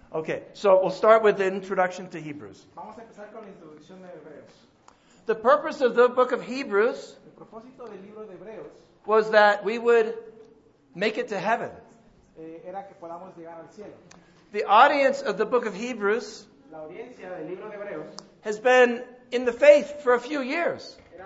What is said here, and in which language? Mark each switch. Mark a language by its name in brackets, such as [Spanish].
[English] Ok, so we'll start with the introduction to Hebrews. [Spanish] Vamos a empezar con la introducción de Hebreos. [English] The purpose of the book of Hebrews, [Spanish] el propósito del libro de Hebreos, [English] was that we would make it to heaven. [Spanish] Era que podamos llegar al cielo. [English] The audience of the book of Hebrews, [Spanish] la audiencia del libro de Hebreos, [English] has been in the faith for a few years.